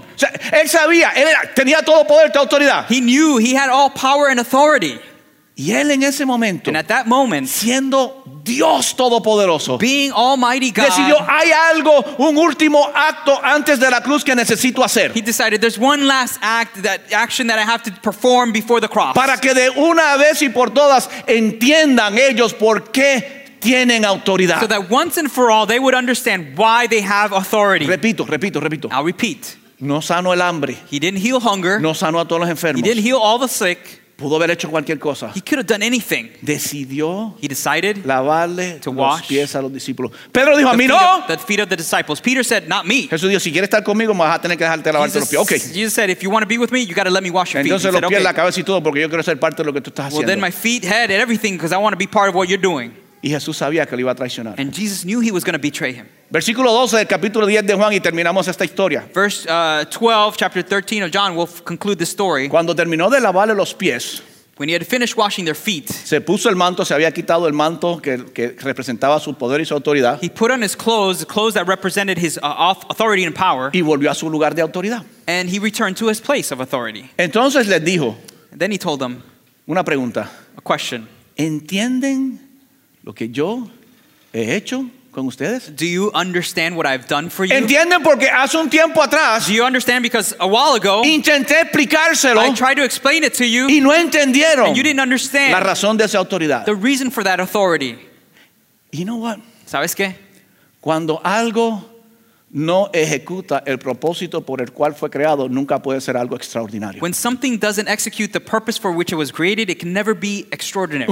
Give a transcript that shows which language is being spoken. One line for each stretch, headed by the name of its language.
Spanish: O sea, él sabía, él era, tenía todo poder, toda autoridad.
English: He knew he had all power and authority.
Spanish: Y él en ese momento,
English: and at that moment,
Spanish: siendo Dios Todopoderoso,
English: being Almighty God,
Spanish: decidió, hay algo, un último acto antes de la cruz que necesito hacer.
English: He decided there's one last act, that action that I have to perform before the cross.
Spanish: Para que de una vez y por todas entiendan ellos por qué tienen autoridad.
English: So that once and for all they would understand why they have authority.
Spanish: Repito.
English: I'll repeat.
Spanish: No sanó el hambre.
English: He didn't heal hunger.
Spanish: No sanó a todos los enfermos.
English: He didn't heal all the sick.
Spanish: Pudo haber hecho cualquier cosa.
English: He could have done anything.
Spanish: Decidió
English: he decided
Spanish: lavarle
English: to wash
Spanish: los pies a los discípulos. Pedro dijo, a mí no.
English: The feet of the disciples. Peter said, not me.
Spanish: Jesús dijo, si quieres estar conmigo, me vas a tener que dejarte lavarte los pies.
English: Okay. Jesus said, if you want to be with me, you got to let me wash your
Spanish: entonces
English: feet.
Spanish: Entonces los
English: said,
Spanish: pies, okay, la cabeza y todo, porque yo quiero ser parte de lo que tú estás haciendo.
English: Well, then my feet, head, and everything, because I want to be part of what you're doing.
Spanish: Y Jesús sabía que lo iba a traicionar.
English: And Jesus knew he was going to betray him.
Spanish: Versículo 12 del capítulo 10 de Juan y terminamos esta historia.
English: Verse 12, chapter 13 of John, we'll conclude the story.
Spanish: Cuando terminó de lavarle los pies,
English: when he had finished washing their feet,
Spanish: se puso el manto, se había quitado el manto que representaba su poder y su autoridad.
English: He put on his clothes, the clothes that represented his authority and power.
Spanish: Y volvió a su lugar de autoridad.
English: And he returned to his place of authority.
Spanish: Entonces les dijo,
English: then he told them,
Spanish: una pregunta,
English: a question.
Spanish: ¿Entienden lo que yo he hecho con ustedes?
English: Do you understand what I've done for you?
Spanish: ¿Entienden? Porque hace un tiempo atrás,
English: do you understand? Because a while ago,
Spanish: intenté explicárselo,
English: I tried to explain it to you,
Spanish: y no entendieron,
English: and you didn't understand
Spanish: la razón de esa autoridad,
English: the reason for that authority. You know what?
Spanish: ¿Sabes qué? Cuando algo no ejecuta el propósito por el cual fue creado, nunca puede ser algo extraordinario.
English: When something doesn't execute the purpose for which it was created, it can never be extraordinary.